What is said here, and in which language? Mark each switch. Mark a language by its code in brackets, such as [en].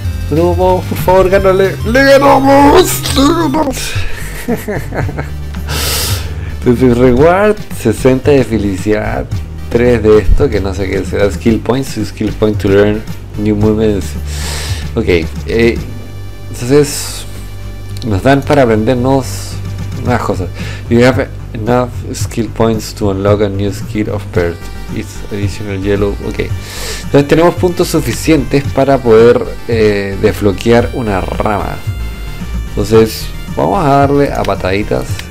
[es] ¡No, vamos, por favor, gánale! ¡Le ganamos! Entonces, reward, 60 de felicidad. 3 de esto, que no sé qué será. [en] Skill point to learn new movements. [es] Ok, entonces nos dan para aprendernos unas cosas. [en] You have enough skill points to unlock a new skill of bird. It's additional yellow. [es] Ok, entonces tenemos puntos suficientes para poder desbloquear una rama. Entonces vamos a darle a pataditas.